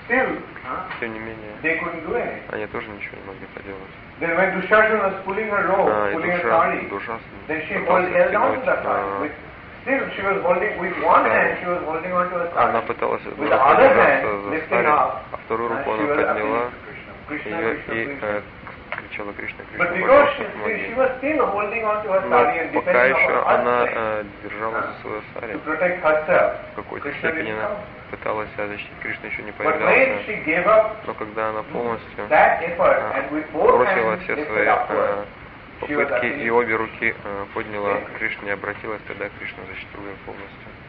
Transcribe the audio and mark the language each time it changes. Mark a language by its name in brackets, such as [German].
[Russian] Тем не менее, они тоже ничего не могли поделать. [English] Then when Dushasana was pulling her robe, pulling her sari, then she held down the sari. Still, she was holding with one hand. She was holding onto the sari. [Russian] Она пыталась [English] with the other hand lifting up. [Russian] А вторую руку она подняла и кричала Кришна, Кришна. [English] But because she was still holding onto her sari and defending her own sari, to protect herself, [Russian] в какой-то степени она пыталась себя защитить, Кришна еще не появлялся. Но когда она полностью бросила все свои попытки и обе руки подняла к Кришне и обратилась, тогда Кришна защитил ее полностью.